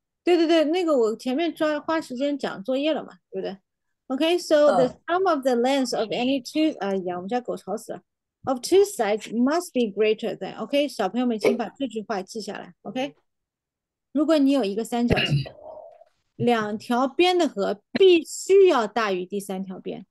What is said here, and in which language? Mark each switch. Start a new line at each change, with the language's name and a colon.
Chinese: 对对对，那个我前面抓花时间讲作业了嘛，对不对？
English: Okay, so the sum of the lengths of any two of two sides must be greater than.
Chinese: Okay, 小朋友们请把这句话记下来。Okay, 如果你有一个三角形，两条边的和必须要大于第三条边。